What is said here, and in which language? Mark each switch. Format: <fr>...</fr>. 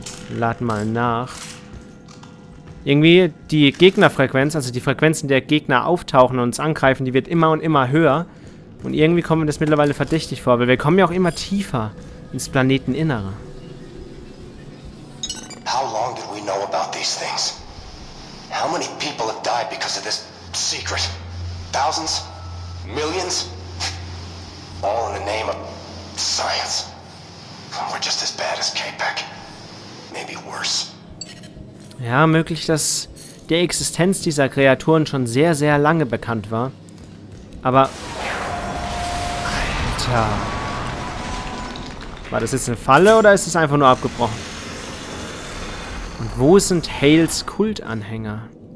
<de>Lad mal nach. Irgendwie die Gegnerfrequenz, also die Frequenzen der Gegner auftauchen und uns angreifen, die wird immer und immer höher. Und irgendwie kommt mir das mittlerweile verdächtig vor, weil wir kommen ja auch immer tiefer ins Planeteninnere.</de> <en>How long did we know about these things? How many people have died because of this secret? Thousands? Millions? All in the name of science. We're just as bad as K-Pek. Maybe worse.</en> <de>Ja, möglich, dass die Existenz dieser Kreaturen schon sehr, sehr lange bekannt war. Aber... Alter. War das jetzt eine Falle oder ist es einfach nur abgebrochen? Und wo sind Hales Kultanhänger?</de>